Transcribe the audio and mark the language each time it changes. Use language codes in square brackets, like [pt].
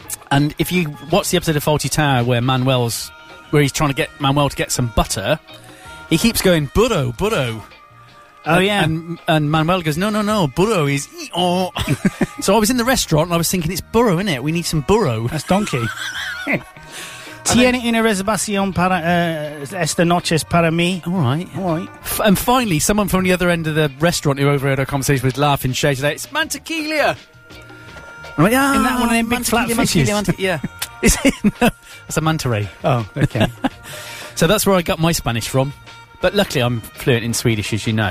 [en] And if you watch the episode of Fawlty Tower where he's trying to get Manuel to get some butter, he keeps going, "Burro, burro." Oh, yeah. And Manuel goes, no, burro is... So I was in the restaurant and I was thinking, it's burro, isn't it? We need some burro. That's donkey. [es] Tiene una reservación para esta noche para mí. [en] All right. And finally, someone from the other end of the restaurant who overheard our conversation was laughing, shouted out, "It's Mantequilla!" I'm like, isn't that one of them big flat fishes? Yeah. Is it? No, that's a manta ray. Oh, okay. So that's where I got my Spanish from. But luckily, I'm fluent in Swedish, as you know.